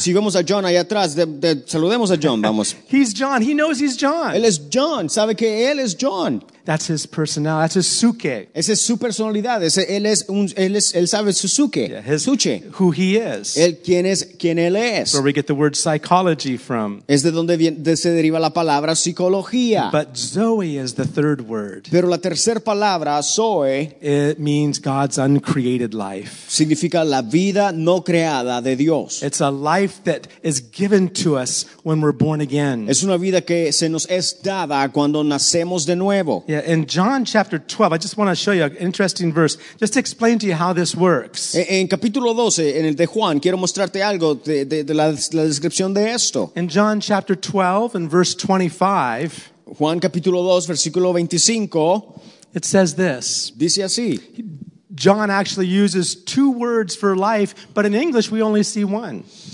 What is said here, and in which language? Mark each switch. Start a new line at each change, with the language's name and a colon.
Spanish: Si vemos a John ahí atrás, saludemos a John, vamos.
English: He's John. He knows he's John.
Spanish: Él es John. Sabe que él es John.
English: That's his personality. That's his psuche.
Spanish: Esa es su personalidad. Él sabe su psuche.
English: Yeah, who he is.
Spanish: Él, quién es, quién él es.
English: That's where we get the word psychology from.
Spanish: Es de donde se deriva la palabra psicología.
English: But Zoe is the third word.
Spanish: Pero la tercera palabra, Zoe,
English: it means God's uncreated life.
Spanish: Significa la vida no creada de Dios.
English: It's a life that is given to us when we're born again.
Spanish: Es una vida que se nos es dada cuando nacemos de nuevo.
English: Yeah, in John chapter 12, I just want to show you an interesting verse, just to explain to you how this works.
Spanish: En capítulo 12, en el de Juan, quiero mostrarte algo de la descripción de esto.
English: In John chapter 12, in verse 25,
Spanish: Juan capítulo 2, versículo 25,
English: it says this.
Spanish: Dice así.
English: John actually uses two words for life, but in English we only see one.